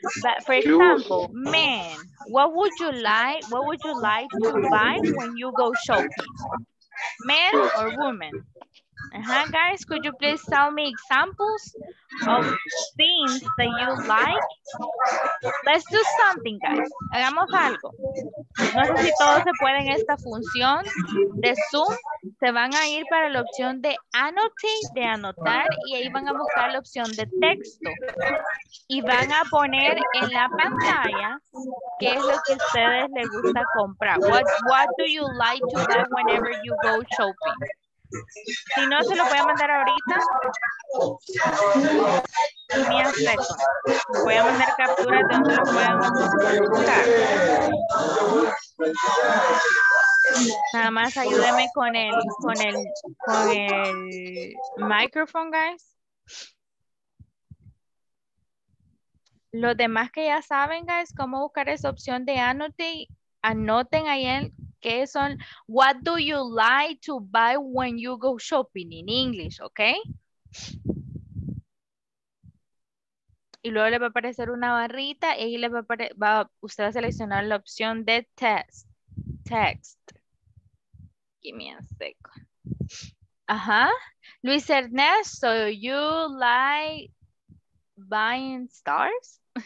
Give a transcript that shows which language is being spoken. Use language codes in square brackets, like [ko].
[en] But for example, man, what would you like to buy when you go shopping? Man or woman? Uh-huh, guys, could you please tell me examples of things that you like? Let's do something, guys. [es] Hagamos algo. No sé si todos se pueden esta función de Zoom. Se van a ir para la opción de annotate, de anotar, y ahí van a buscar la opción de texto. Y van a poner en la pantalla qué es lo que a ustedes les gusta comprar. [en] What do you like to buy whenever you go shopping? [es] Si no, se lo voy a mandar ahorita. Mi aspecto. Voy a mandar capturas de donde lo puedan buscar. Nada más ayúdeme con el micrófono, guys. Los demás que ya saben, guys, cómo buscar esa opción de annotate, anoten ahí en... ¿Qué son? [en] What do you like to buy when you go shopping in English, okay? [es] Y luego le va a aparecer una barrita y ahí le va a aparecer, usted va a seleccionar la opción de text. [en] Give me a second. Ajá. Luis Ernesto, you like buying stars?